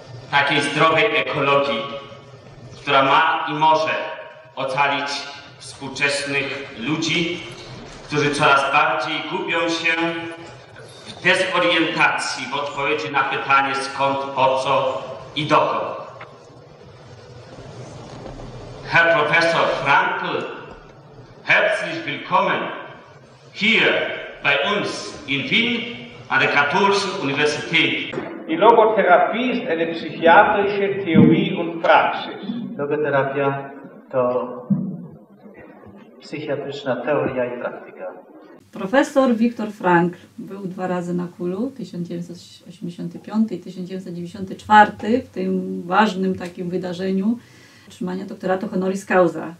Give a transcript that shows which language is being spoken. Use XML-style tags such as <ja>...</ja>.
<pl>takiej zdrowej ekologii, która ma i może ocalić współczesnych ludzi, którzy coraz bardziej gubią się w dezorientacji, w odpowiedzi na pytanie skąd, po co i dokąd.</pl> <de>Herr Professor Frankl, herzlich willkommen hier bei uns in Wien an der Katholischen Universität. Die Logotherapie ist eine psychiatrische Theorie und Praxis.</de> <pl>Logoterapia to psychiatryczna teoria i praktyka. Profesor Viktor Frankl był dwa razy na kulu, 1985 i 1994, w tym ważnym takim wydarzeniu otrzymania doktoratu honoris causa.</pl>